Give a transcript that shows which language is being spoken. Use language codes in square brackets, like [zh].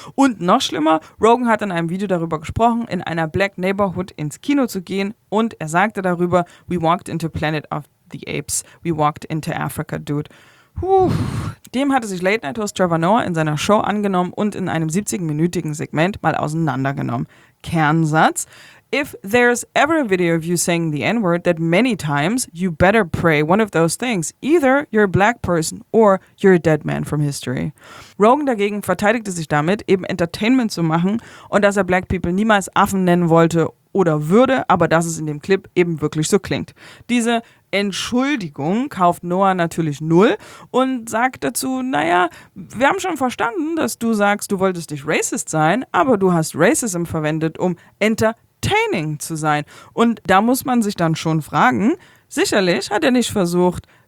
[de] Und noch schlimmer, Rogan hat in einem Video darüber gesprochen, in einer Black Neighborhood ins Kino zu gehen und er sagte darüber: [en] We walked into Planet of the Apes, we walked into Africa, dude. [de] Dem hatte sich Late Night Host Trevor Noah in seiner Show angenommen und in einem 70-minütigen Segment mal auseinandergenommen. [en] Kernsatz: If there's ever a video of you saying the N-word that many times, you better pray one of those things. Either you're a black person or you're a dead man from history. [de] Rogan dagegen verteidigte sich damit, eben Entertainment zu machen und dass er Black People niemals Affen nennen wollte oder würde, aber dass es in dem Clip eben wirklich so klingt. Diese Entschuldigung kauft Noah natürlich null und sagt dazu: Naja, wir haben schon verstanden, dass du sagst, du wolltest nicht racist sein, aber du hast Racism verwendet, um entertaining zu sein. Und da muss man sich dann schon fragen, sicherlich hat er nicht versucht,